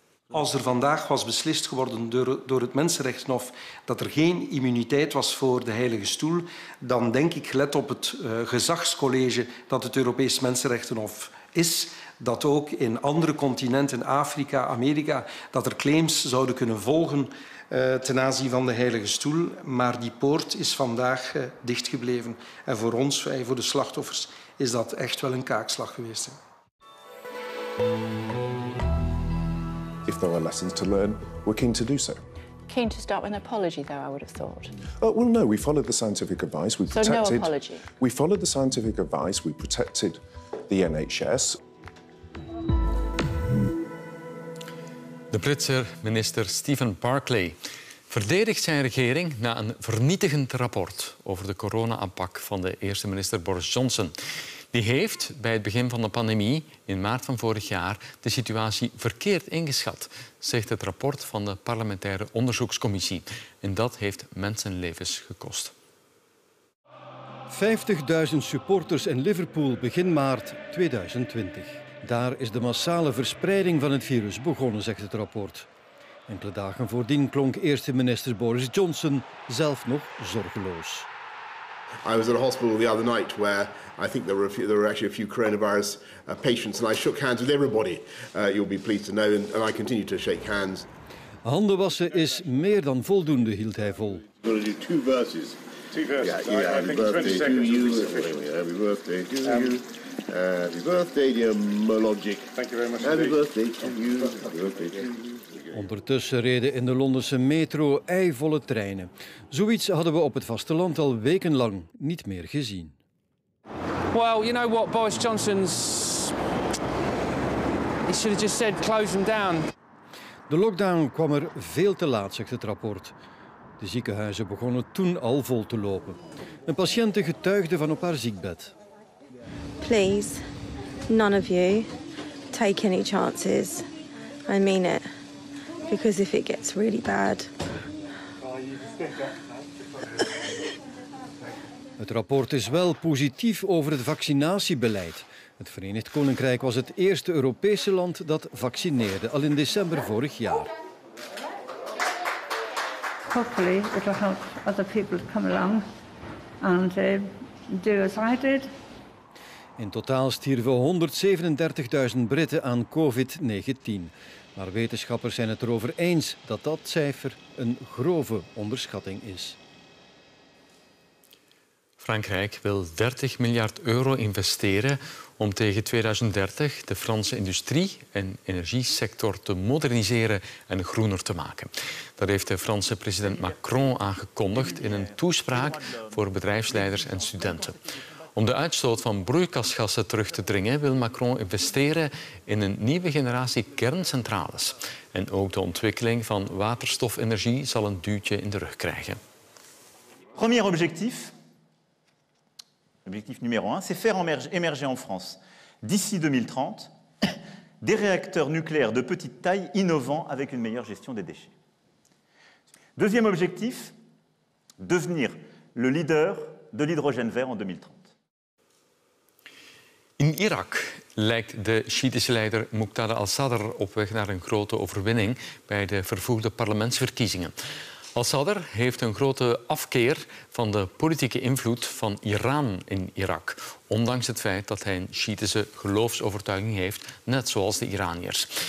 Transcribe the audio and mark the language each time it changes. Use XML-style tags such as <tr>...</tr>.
<nl>Als er vandaag was beslist geworden door het Mensenrechtshof dat er geen immuniteit was voor de Heilige Stoel, dan denk ik, gelet op het gezagscollege dat het Europees Mensenrechtenhof is, dat ook in andere continenten, Afrika, Amerika, dat er claims zouden kunnen volgen ten aanzien van de Heilige Stoel. Maar die poort is vandaag dichtgebleven. En voor ons, voor de slachtoffers, is dat echt wel een kaakslag geweest. Hè.</nl> <en>If there were lessons to learn, we're keen to do so. Keen to start with an apology, though, I would have thought. Well, no, we followed the scientific advice. We protected, so no apology? We followed the scientific advice. We protected the NHS.</en> <nl>De Britse minister Stephen Barclay verdedigt zijn regering na een vernietigend rapport over de corona-aanpak van de eerste minister Boris Johnson. Die heeft bij het begin van de pandemie in maart van vorig jaar de situatie verkeerd ingeschat, zegt het rapport van de parlementaire onderzoekscommissie. En dat heeft mensenlevens gekost. 50.000 supporters in Liverpool begin maart 2020. Daar is de massale verspreiding van het virus begonnen, zegt het rapport. Enkele dagen voordien klonk eerste minister Boris Johnson zelf nog zorgeloos.</nl> <en>I was at a hospital the other night where I think there were actually a few coronavirus patients and I shook hands with everybody. You'll be pleased to know and I continue to shake hands.</en> <nl>Handen wassen is meer dan voldoende, hield hij vol.</nl> <en>We'll do two verses. Two verses. Yeah, happy birthday to you. Happy birthday to you. Happy birthday, dear Mologic. Thank you very much. Happy birthday to you. Happy birthday to you.</en> <nl>Ondertussen reden in de Londense metro eivolle treinen. Zoiets hadden we op het vasteland al wekenlang niet meer gezien.</nl> <en>Well, you know what, Boris Johnson's. He should have just said close them down.</en> <nl>De lockdown kwam er veel te laat, zegt het rapport. De ziekenhuizen begonnen toen al vol te lopen. Een patiënte getuigde van op haar ziekbed.</nl> <en>Please, none of you take any chances. I mean it. Because if it gets really bad.</en> <nl>Het rapport is wel positief over het vaccinatiebeleid. Het Verenigd Koninkrijk was het eerste Europese land dat vaccineerde, al in december vorig jaar.</nl> <en>Hopefully it will help other people come along and do as I did.</en> <nl>In totaal stierven 137.000 Britten aan COVID-19. Maar wetenschappers zijn het erover eens dat dat cijfer een grove onderschatting is. Frankrijk wil 30 miljard euro investeren om tegen 2030 de Franse industrie- en energiesector te moderniseren en groener te maken. Dat heeft de Franse president Macron aangekondigd in een toespraak voor bedrijfsleiders en studenten. Om de uitstoot van broeikasgassen terug te dringen, wil Macron investeren in een nieuwe generatie kerncentrales. En ook de ontwikkeling van waterstofenergie zal een duwtje in de rug krijgen.</nl> <fr>Premier objectif. Objectif numéro 1, c'est faire émerger en France d'ici 2030 des réacteurs nucléaires de petite taille innovants avec une meilleure gestion des déchets. Deuxième objectif, devenir le leader de l'hydrogène vert en 2030.</fr> <nl>In Irak lijkt de Shiïtische leider Muqtada al-Sadr op weg naar een grote overwinning bij de vervroegde parlementsverkiezingen. Al-Sadr heeft een grote afkeer van de politieke invloed van Iran in Irak, ondanks het feit dat hij een Shiïtische geloofsovertuiging heeft, net zoals de Iraniërs.</nl>